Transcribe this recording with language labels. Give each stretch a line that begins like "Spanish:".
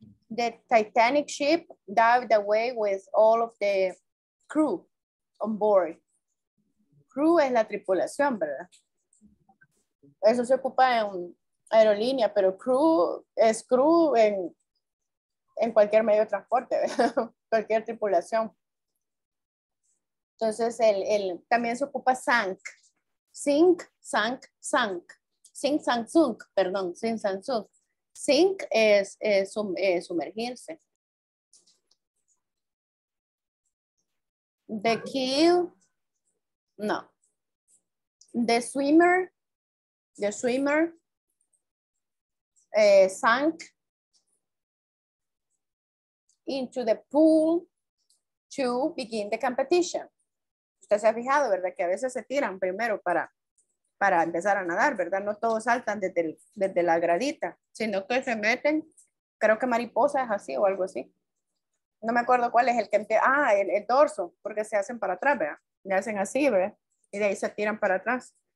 English: The Titanic ship dived away with all of the crew on board.
Spanish: Crew es la tripulación, ¿verdad? Eso se ocupa en aerolínea, pero crew es crew en cualquier medio de transporte, ¿verdad? Cualquier tripulación. Entonces, el también se ocupa sank. Sank.
English: Sink, sank, sunk.
Spanish: Sink es sumergirse.
English: The keel, no. The swimmer, sank into the pool to begin the competition.
Spanish: Usted se ha fijado, ¿verdad? Que a veces se tiran primero para empezar a nadar, ¿verdad? No todos saltan desde la gradita, sino que se meten, creo que mariposa es así o algo así. No me acuerdo cuál es el que empieza, el dorso, porque se hacen para atrás, ¿verdad? Me hacen así, ¿verdad? Y de ahí se tiran para atrás.